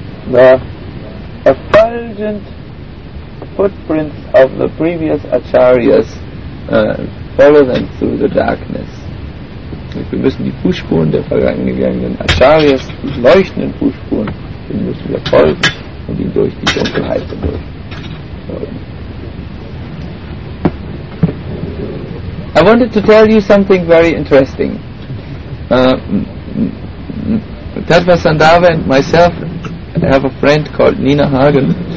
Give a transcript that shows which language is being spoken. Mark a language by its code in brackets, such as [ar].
[en] The effulgent footprints of the previous acharyas follow them through the darkness. [de] Wir müssen die Fußspuren der vergangenen Acharyas, die leuchtenden Fußspuren, die müssen wir folgen. Und ihn durch die Dunkelheit durch. [en] I wanted to tell you something very interesting. Tadva Sandhava and myself have a friend called Nina Hagen.